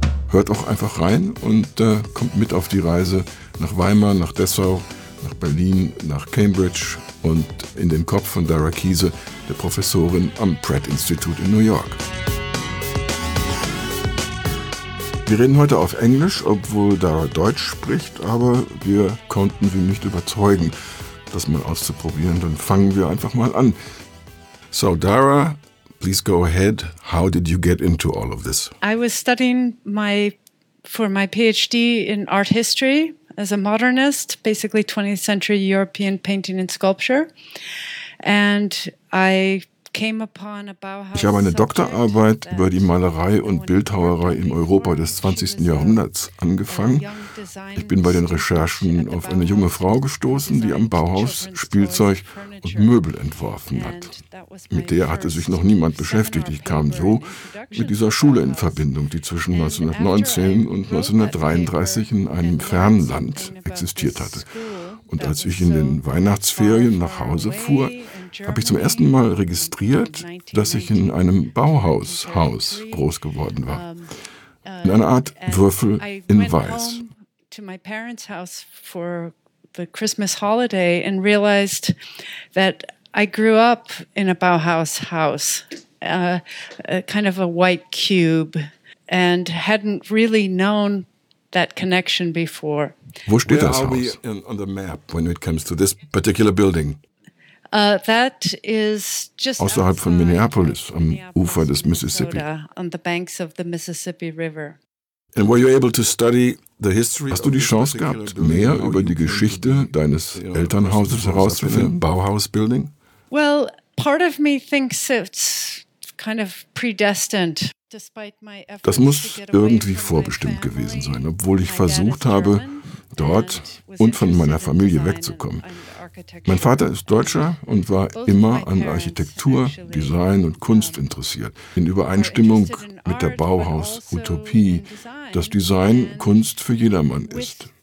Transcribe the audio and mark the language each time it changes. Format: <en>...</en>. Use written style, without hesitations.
<de>Hört auch einfach rein und kommt mit auf die Reise nach Weimar, nach Dessau, nach Berlin, nach Cambridge und in den Kopf von Dara Kiese, der Professorin am Pratt Institute in New York. Wir reden heute auf Englisch, obwohl Dara Deutsch spricht, aber wir konnten sie nicht überzeugen, das mal auszuprobieren. Dann fangen wir einfach mal an.</de> <en>So, Dara, please go ahead. How did you get into all of this? I was studying for my PhD in art history as a modernist, basically 20th century European painting and sculpture. And I came upon a Bauhaus.</en> <de>Ich habe eine Doktorarbeit über die Malerei und Bildhauerei im Europa des 20. Jahrhunderts angefangen. Ich bin bei den Recherchen auf eine junge Frau gestoßen, die am Bauhaus Spielzeug und Möbel entworfen hat. Mit der hatte sich noch niemand beschäftigt. Ich kam so mit dieser Schule in Verbindung, die zwischen 1919 und 1933 in einem fernen Land existiert hatte. Und als ich in den Weihnachtsferien nach Hause fuhr, habe ich zum ersten Mal registriert, dass ich in einem Bauhaushaus groß geworden war. In einer Art Würfel in Weiß.</de> <en>To my parents' house for the Christmas holiday and realized that I grew up in a Bauhaus house, kind of a white cube, and hadn't really known that connection before.</en> <de>Wo steht das Haus?</de> <en>On the map when it comes to this particular building? That is just</en> <de>außerhalb von Minneapolis, am Ufer des Mississippi.</de> <en>On the banks of the Mississippi River. And were you able to study the history?</en> <de>Hast du die Chance gehabt, mehr über die Geschichte deines Elternhauses herauszufinden, Bauhaus-Building?</de> <en>Well, part of me thinks it's kind of predestined.</en> <de>Das muss irgendwie vorbestimmt gewesen sein, obwohl ich versucht habe, dort und von meiner Familie wegzukommen. Mein Vater ist Deutscher und war immer an Architektur, Design und Kunst interessiert. In Übereinstimmung mit der Bauhaus-Utopie, dass Design Kunst für jedermann ist.</de>